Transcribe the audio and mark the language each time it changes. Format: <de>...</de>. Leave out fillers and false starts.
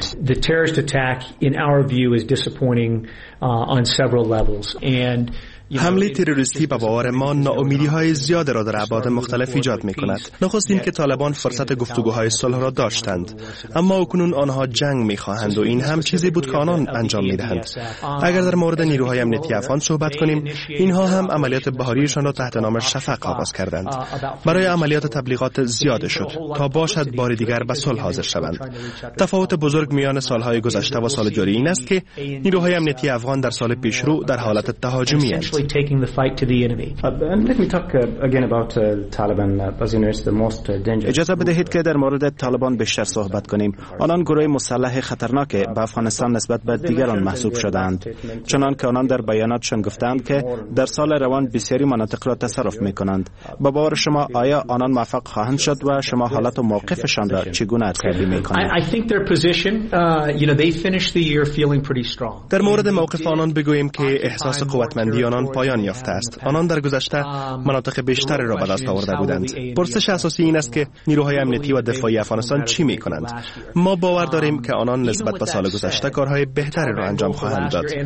<en>The terrorist attack, in our view, is disappointing. on several levels and</en> <fa>حمله تروریستی به باور ما ناامیدی های زیاده را در ابعاد مختلف ایجاد می کند. نخستین که طالبان فرصت گفتگوهای صلح را داشتند. اما اکنون آنها جنگ می خواهند و این هم چیزی بود که آنان انجام می دهند. اگر در مورد نیروهای امنیتی افغان صحبت کنیم، اینها هم عملیات بهاریشان را تحت نام شفق آغاز کردند. برای عملیات تبلیغات زیاده شد تا باشد بار دیگر به صلح حاضر شوند. تفاوت بزرگ میان سالهای گذشته و سال جاری این است که نیروهای امنیتی افغان در سال پیش رو در حالت تهاجمی هستند.</fa> <en>Taking the fight to the enemy. And let me talk again about Taliban. As you know, it's the most dangerous.</en> <fa>اجازه بدهید که در مورد طالبان بیشتر صحبت کنیم. آنان گروه مسلح خطرناک با افغانستان نسبت به دیگران محسوب شدند. چنان که آنان در بیاناتشان گفتند که در سال روان بسیاری مناطق را تصرف می کنند. با باور شما آیا آنان موفق خواهند شد و شما حالت و موقفشان را چگونه ارزیابی می کنید؟</fa> <en>I think their position, you know, they finished the year feeling pretty strong.</en> <fa>در مورد موقف آنان بگوییم که احساس قوتمندی آنان پایان یافته است. آنان در گذشته مناطق بیشتر را به دست آورده بودند. پرسش اساسی این است که نیروهای امنیتی و دفاعی افغانستان چی می کنند؟ ما باور داریم که آنان نسبت به سال گذشته کارهای بهتری را انجام خواهند داد.</fa>